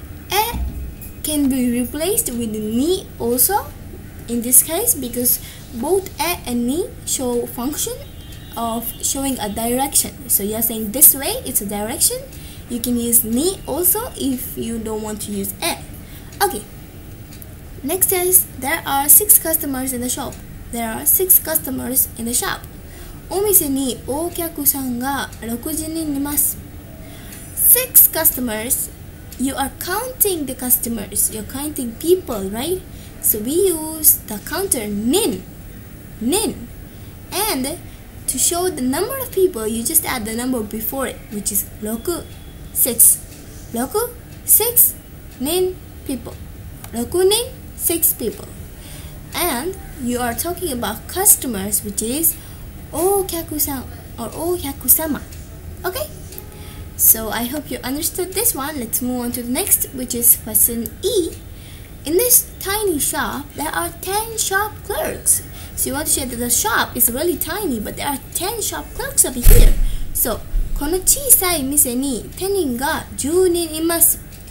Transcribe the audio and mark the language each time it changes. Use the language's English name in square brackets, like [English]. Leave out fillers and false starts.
[English] え can be replaced with ni also in this case, because both え and ni show function of showing a direction. So you're saying this way, it's a direction. You can use ni also if you don't want to use え. Okay. Next is, there are six customers in the shop. There are 6 customers in the shop. [Japanese] お店にお客さんが6人います。 [English] 6 customers. You are counting the customers. You're counting people, right? So we use the counter nin. And to show the number of people, you just add the number before it, which is 6. 6. 6 nin people. 6 nin 6 people. And you are talking about customers, which is お客さん or お客様. Okay? So I hope you understood this one. Let's move on to the next, which is question E. In this tiny shop, there are 10 shop clerks. So you want to say that the shop is really tiny, but there are 10 shop clerks over here. [Japanese] So, この小さい店に店員が10人います。